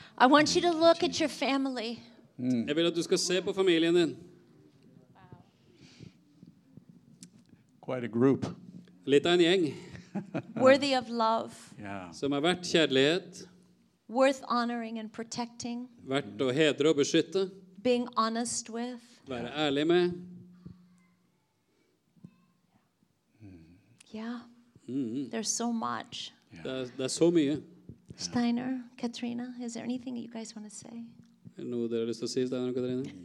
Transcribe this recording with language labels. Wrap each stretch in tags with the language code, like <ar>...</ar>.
<en>I want you to look at your family.</en> <sv>Jag vill att du ska se på familjen din.</sv> <en>Quite a group.</en> <sv>Lite en gäng.</sv> <en>Worthy of love. Yeah.</en> <sv>Som är värt kärlighet.</sv> <en>Worth honoring and protecting.</en> <sv>Värt att hedra och beskytta.</sv> <en>Being honest with.</en> <sv>Vara ärlig med.</sv> <en>Yeah. Mm. There's so much.</en> <sv>Yeah. Det är så mycket.</sv> <en>Steiner, Katrina, is there anything you guys want to say?</en> <sv>Nu där är det så sist där Katrina.</sv>